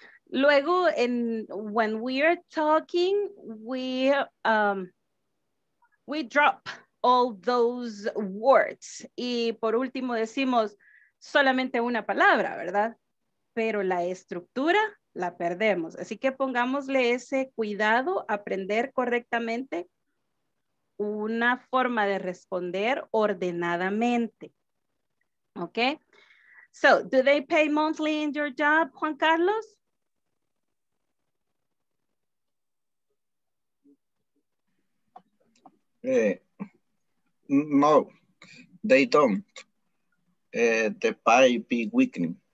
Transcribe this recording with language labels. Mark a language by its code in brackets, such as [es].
[es] Luego, [en] when we are talking, we drop all those words. [es] Y por último decimos solamente una palabra, ¿verdad? Pero la estructura la perdemos. Así que pongámosle ese cuidado, aprender correctamente una forma de responder ordenadamente. ¿Ok? [en] So, do they pay monthly in your job, Juan Carlos? No, they don't. The pay be weakening.